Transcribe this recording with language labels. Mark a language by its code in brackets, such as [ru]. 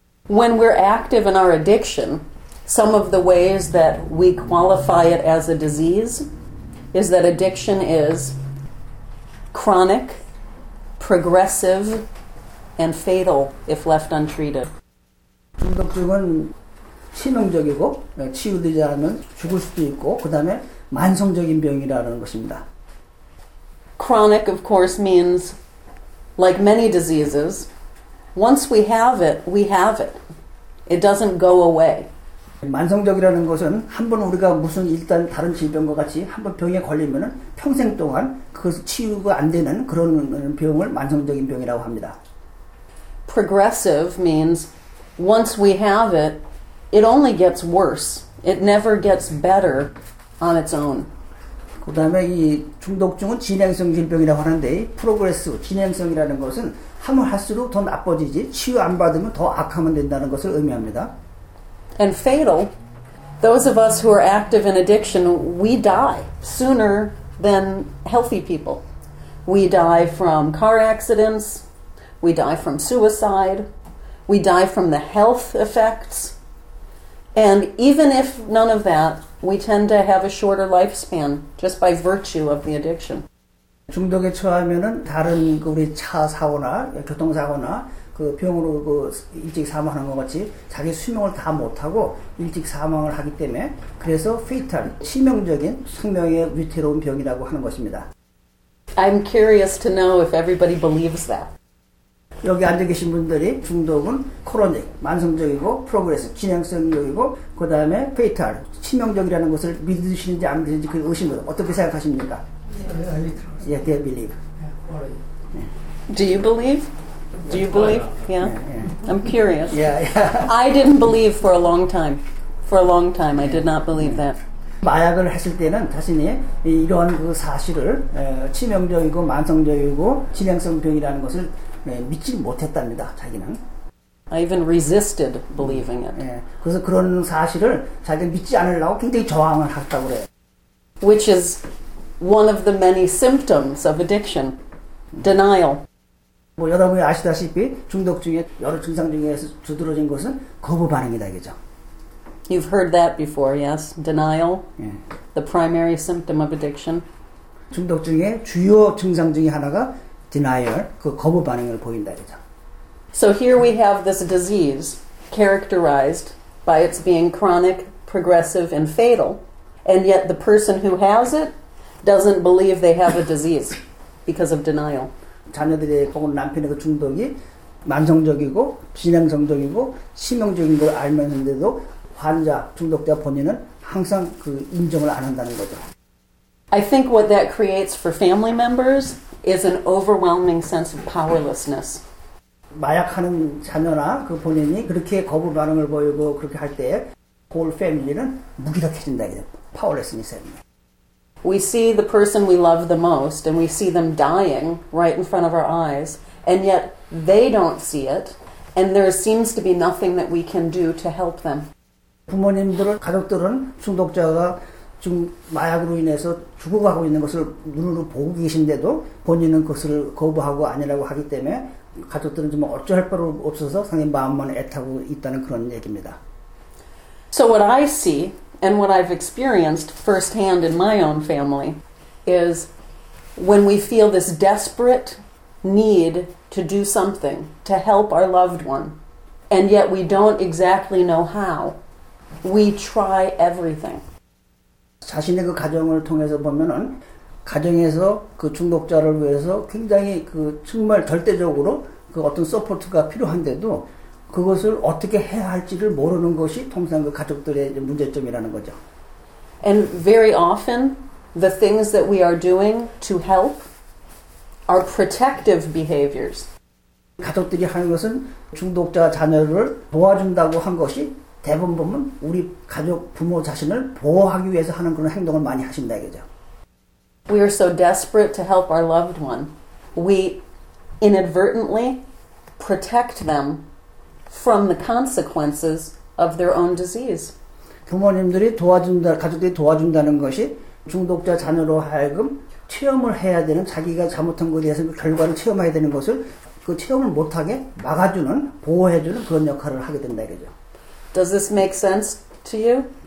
[en] When we're active in our addiction, some of the ways that we qualify it as a disease is that addiction is chronic, progressive, and fatal if left untreated. [ko] 중독증은 치명적이고 치유되지 않으면 죽을 수도 있고 그 다음에 만성적인 병이라는 것입니다. [en] Chronic, of course, means like many diseases, once we have it, we have it. It doesn't go away. [ko] 만성적이라는 것은 한번 우리가 무슨 일단 다른 질병과 같이 한번 병에 걸리면은 평생 동안 그것을 치유가 안 되는 그런 병을 만성적인 병이라고 합니다. [en] Progressive means once we have it, it only gets worse. It never gets better on its own. [ko] 그 다음에 이 중독증은 진행성 질병이라고 하는데 프로그레스, 진행성이라는 것은 하면 할수록 더 나빠지지 치유 안 받으면 더 악화하면 된다는 것을 의미합니다. [en] And fatal, those of us who are active in addiction, we die sooner than healthy people. We die from car accidents, we die from suicide, we die from the health effects. And even if none of that, we tend to have a shorter lifespan just by virtue of the addiction. [ko] 중독에 처하면은 다른 그 우리 차 사고나 교통 사고나 그 병으로 그 일찍 사망하는 것 같이 자기 수명을 다 못하고 일찍 사망을 하기 때문에 그래서 fatal 치명적인 생명의 위태로운 병이라고 하는 것입니다. [en] I'm curious to know if everybody believes that. [ko] 여기 앉아 계신 분들이 중독은 크로닉, 만성적이고 프로그레스, 진행성적이고 그 다음에 페이탈, 치명적이라는 것을 믿으시는지 안 믿으시는지 그 의심을 어떻게 생각하십니까? [en] Yeah, they believe. Do you believe? Do you believe? Yeah. I'm curious. Yeah. I didn't believe for a long time. For a long time, I did not believe that. [ko] 마약을 했을 때는 자신이 이러한 그 사실을 치명적이고 만성적이고 진행성 병이라는 것을 믿지 못했답니다. 자기는. [en] I even resisted believing it. [ko] 그래서 그런 사실을 자기가 믿지 않으려고 굉장히 저항을 했다고 그래. [en] Which is one of the many symptoms of addiction, denial. [ko] 뭐 여러분이 아시다시피 중독 중에 여러 증상 중에서 두드러진 것은 거부 반응이다, 그죠? [en] You've heard that before, yes? Denial, the primary symptom of addiction. [ko] 중독 중에 주요 증상 중에 하나가 denial, 그 거부 반응을 보인다, 그죠? [en] So here we have this disease characterized by its being chronic, progressive, and fatal, and yet the person who has it doesn't believe they have a disease because of denial. [ko] 자녀들의 혹은 남편의 그 중독이 만성적이고 진행성적이고 치명적인 걸 알면서도 환자, 중독자 본인은 항상 그 인정을 안 한다는 거죠. [en] I think what that creates for family members is an overwhelming sense of powerlessness. [ko] 마약하는 자녀나 그 본인이 그렇게 거부 반응을 보이고 그렇게 할 때 [en] whole family [ko] 는 무기력해진다. Powerlessness입니다. [en] We see the person we love the most and we see them dying right in front of our eyes and yet they don't see it and there seems to be nothing that we can do to help them. [ko] 부모님들은 가족들은 중독자가 지금 마약으로 인해서 죽어가고 있는 것을 눈으로 보고 계신데도 본인은 그것을 거부하고 아니라고 하기 때문에 가족들은 좀 어쩔 바를 없어서 상당히 마음만 애타고 있다는 그런 얘기입니다. [en] So what I see and what I've experienced firsthand in my own family is when we feel this desperate need to do something to help our loved one and yet we don't exactly know how, we try everything. [ko] 자신의 그 가정을 통해서 보면은 가정에서 그 중독자를 위해서 굉장히 그 정말 절대적으로 그 어떤 서포트가 필요한데도 그것을 어떻게 해야 할지를 모르는 것이 통상 그 가족들의 문제점이라는 거죠. [en] And very often the things that we are doing to help are protective behaviors. [ko] 가족들이 하는 것은 중독자 자녀를 도와준다고 한 것이 대부분 보면 우리 가족 부모 자신을 보호하기 위해서 하는 그런 행동을 많이 하신다 이거죠. [en] We are so desperate to help our loved one. We inadvertently protect them from the consequences of their own disease. [ko] 부모님들이 도와준다, 가족들이 도와준다는 것이 중독자 자녀로 하여금 체험을 해야 되는 자기가 잘못한 것에 대해서 결과를 체험해야 되는 것을 그 체험을 못하게 막아주는 보호해주는 그런 역할을 하게 된다 이거죠. [en] Does this make sense to you?